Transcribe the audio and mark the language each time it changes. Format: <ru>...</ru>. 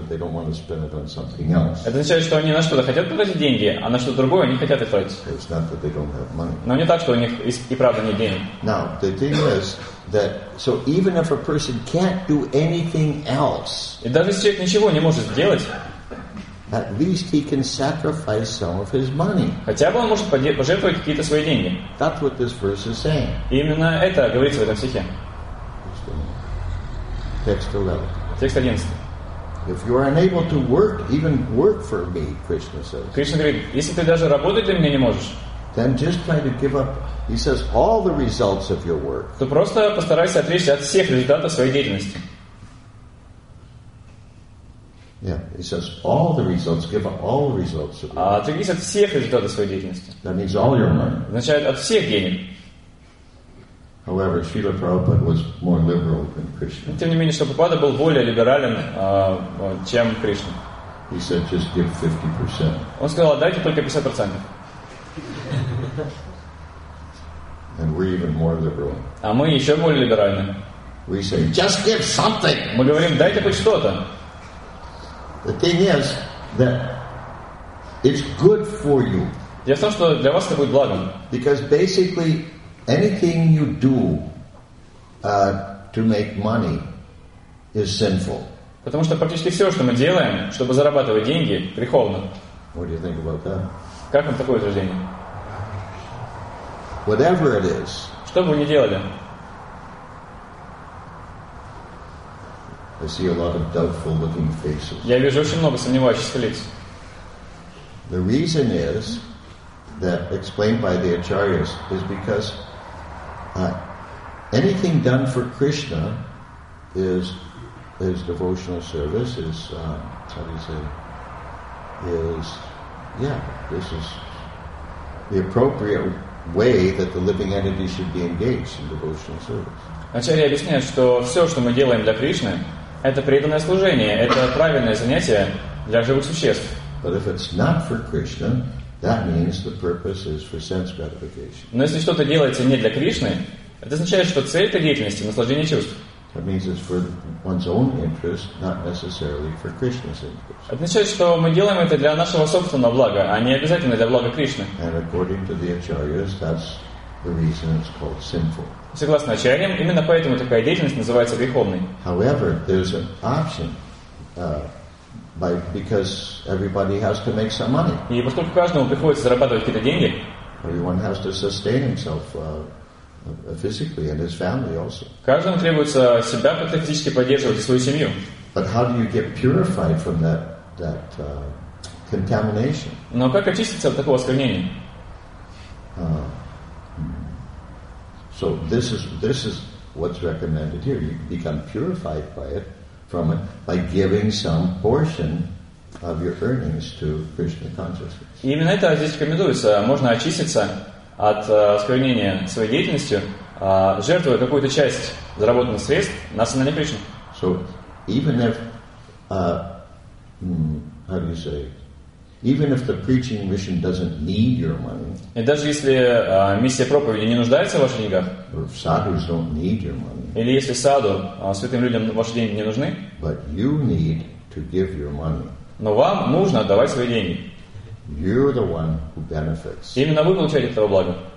<ru>Это означает, что они на что-то хотят потратить деньги, а на что-то другое они хотят их тратить. Но не так, что у них и правда нет денег.</ru> <en>Now, the thing is that, so even if a person can't do anything else,</en> <ru>и даже если человек ничего не может сделать,</ru> <en>at least he can sacrifice some of his money.</en> <ru>Хотя бы он может пожертвовать какие-то свои деньги.</ru> <en>That's what this verse is saying.</en> <ru>Именно это говорится в этом стихе.</ru> <en>Text 11.</en> <ru>Текст 11.</ru> <en>If you are unable to work for me, Krishna says.</en> <ru>Кришна говорит, если ты даже работать для меня не можешь.</ru> <en>Then just try to give up. He says all the results of your work.</en> <ru>То просто постарайся отречься от всех результатов своей деятельности.</ru> <en>Yeah, he says all the results. Give up all the results.</en> <ru>Отрекись от всех результатов своей деятельности.</ru> <en>That means all your money.</en> <ru>Означает от всех денег.</ru> <en>However, Srila Prabhupada was more liberal than Krishna.</en> <ru>Тем не менее, что Прабхупада был более либерален, чем Кришна.</ru> <en>He said, just give 50%.</en> <ru>Он сказал, дайте только 50%.</ru> <en>And we're even more liberal.</en> <ru>А мы еще более либеральны.</ru> <en>We say, just give something.</en> <ru>Мы говорим, дайте хоть что-то.</ru> <en>The thing is that it's good for you.</en> <ru>Дело в том, что для вас это будет благом.</ru> <en>Because basically anything you do to make money is sinful.</en> <ru>Потому что практически все, что мы делаем, чтобы зарабатывать деньги, греховно.</ru> <en>What do you think about that?</en> <ru>Как вам такое утверждение?</ru> <en>Whatever it is.</en> <ru>Что бы вы ни делали.</ru> <en>I see a lot of doubtful-looking faces.</en> <ru>Я вижу очень много сомневающихся лиц.</ru> <en>The reason is that explained by the acharyas is because anything done for Krishna is devotional service. This is the appropriate way that the living entity should be engaged in devotional service.</en> <ru>Ачарья объясняет, что все, что мы делаем для Кришны, это преданное служение, это правильное занятие для живых существ.</ru> <en>But if it's not for Krishna, that means the purpose is for sense gratification.</en> <ru>Но если что-то делается не для Кришны, это означает, что цель этой деятельности — наслаждение чувств.</ru> <en>That means it's for one's own interest, not necessarily for Krishna's interest.</en> <ru>Это означает, что мы делаем это для нашего собственного блага, а не обязательно для блага Кришны.</ru> <en>And according to the acharyas, that's the reason it's called sinful.</en> <ru>Согласно Ачарьям, именно поэтому такая деятельность называется греховной.</ru> <en>However, there's an option, because everybody has to make some money.</en> <ru>И поскольку каждому приходится зарабатывать какие-то деньги,</ru> <en>everyone has to sustain himself physically and his family also.</en> <ru>Каждому требуется себя как-то физически поддерживать и свою семью.</ru> <en>But how do you get purified from that contamination?</en> <ru>Но как очиститься от такого осквернения?</ru> <en>So this is what's recommended here. You become purified by it, from it, by giving some portion of your earnings to Krishna consciousness.</en> <ru>Именно это здесь рекомендуется. Можно очиститься от осквернения своей деятельностью, жертвуя какую-то часть заработанных средств на сознание Кришны.</ru> <en>So, even if, how do you say, even if the preaching mission doesn't need your money,</en> <ru>и даже если миссия проповеди не нуждается в ваших деньгах,</ru> <en>or if sadhus don't need your money,</en> <ru>или если саду, святым людям ваши деньги не нужны,</ru> <en>but you need to give your money.</en> <ru>Но вам нужно отдавать свои деньги.</ru> <en>You're the one who benefits.</en> <ru>Именно вы получаете этого блага.</ru>